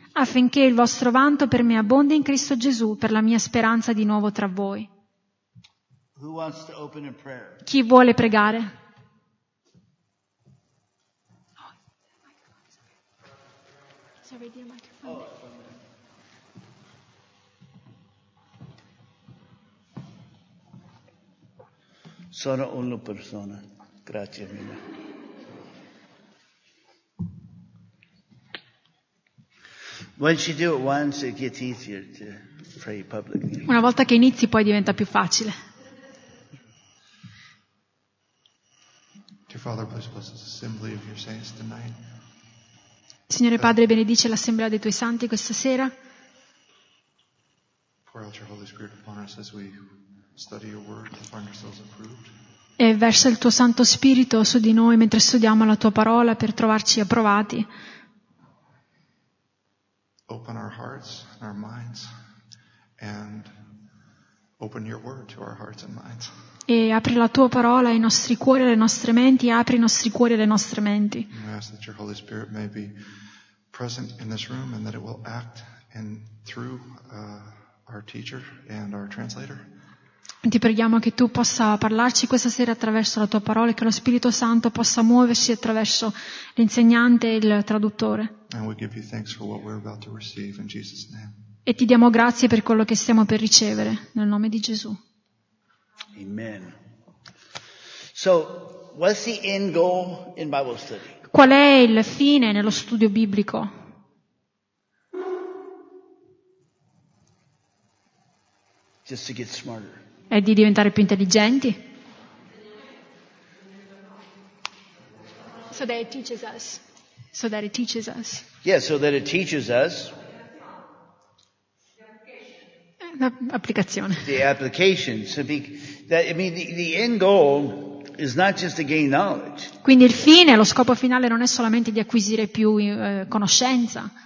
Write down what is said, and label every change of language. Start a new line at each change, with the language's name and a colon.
Italian: Affinché il vostro vanto per me abbondi in Cristo Gesù per la mia speranza di nuovo tra voi.
English: Who wants to open in prayer?
Italian: Chi vuole pregare? Sono una persona. Grazie mille.
English: Once you do it once, it gets easier to pray publicly.
Italian: Una volta che inizi, poi diventa più facile.
English: Dear Father, please bless this assembly of your saints tonight.
Italian: Signore Padre, benedice l'assemblea dei tuoi santi questa sera.
English: Pour out your Holy Spirit upon us as we study your word to find ourselves approved.
Italian: E versa il tuo Santo Spirito su di noi mentre studiamo la tua parola per trovarci approvati.
English: Open our hearts and our minds and open your word to our hearts and minds.
Italian: E apri la tua parola ai nostri cuori e alle nostre menti, e apri i nostri cuori e alle nostre menti.
English: We ask that your Holy Spirit may be present in this room and that it will act in through our teacher and our translator.
Italian: Ti preghiamo che tu possa parlarci questa sera attraverso la tua parola e che lo Spirito Santo possa muoversi attraverso l'insegnante e il traduttore.
English: And we give you thanks for what we're about to receive in Jesus' name.
Italian: E ti diamo grazie per quello che stiamo per ricevere nel nome di Gesù.
English: Amen. So, what's the end goal in Bible study?
Italian: Qual è il fine nello studio biblico?
English: Just to get smarter.
Italian: È di diventare più intelligenti.
English: So that it teaches us. So that it teaches us. Yeah, so that it teaches us.
Italian: L'applicazione.
English: The application. So that, I mean, the end goal is not just to gain knowledge.
Italian: Quindi il fine, lo scopo finale non è solamente di acquisire più conoscenza.